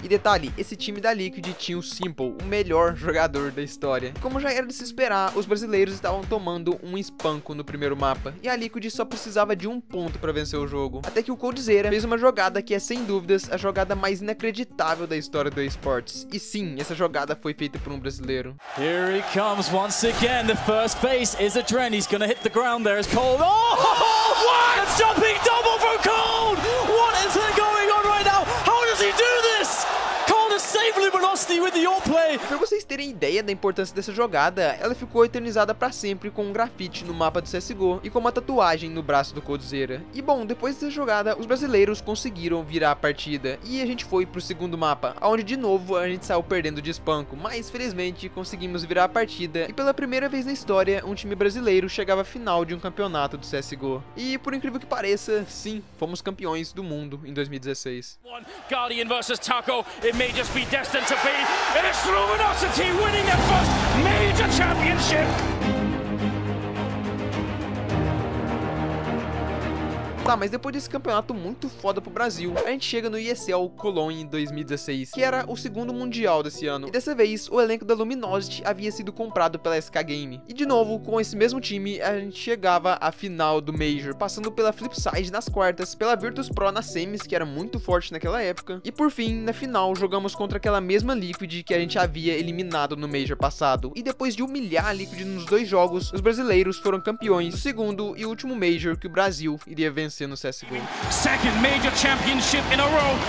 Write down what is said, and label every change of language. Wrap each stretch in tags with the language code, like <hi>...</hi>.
<pt>E detalhe, esse time da Liquid tinha o Simple, o melhor jogador da história. Como já era de se esperar, os brasileiros estavam tomando um espanco no primeiro mapa, e a Liquid só precisava de um ponto pra vencer o jogo. Até que o Coldzera fez uma jogada que é, sem dúvidas, a jogada mais inacreditável da história do eSports. E sim, essa jogada foi feita por um brasileiro.</pt> <en>Here he comes once again, the first base is a trend. He's gonna hit the ground there, it's Cold. Oh! Oh, what? A jumping double from Cold! What is there going on right now? How does he do this? Cold has saved Luminosity with the AWP play.</en> <pt>Pra vocês terem ideia da importância dessa jogada, ela ficou eternizada pra sempre com um grafite no mapa do CSGO e com uma tatuagem no braço do Coldzera. E bom, depois dessa jogada, os brasileiros conseguiram virar a partida. E a gente foi pro segundo mapa, onde de novo a gente saiu perdendo de espanco. Mas felizmente conseguimos virar a partida. E pela primeira vez na história, um time brasileiro chegava à final de um campeonato do CSGO. E por incrível que pareça, sim, fomos campeões do mundo em 2016.</pt> <en>Guardian versus Taco, it may just be destined to be. It's Luminosity winning their first major championship!</en> <pt>Tá, mas depois desse campeonato muito foda pro Brasil, a gente chega no ESL Cologne 2016, que era o segundo mundial desse ano. E dessa vez, o elenco da Luminosity havia sido comprado pela SK Game. E de novo, com esse mesmo time, a gente chegava à final do Major, passando pela Flipside nas quartas, pela Virtus Pro nas semis, que era muito forte naquela época. E por fim, na final, jogamos contra aquela mesma Liquid que a gente havia eliminado no Major passado. E depois de humilhar a Liquid nos dois jogos, os brasileiros foram campeões do segundo e último Major que o Brasil iria vencer. No CSGO.</pt> <en>Second major championship in a row.</en>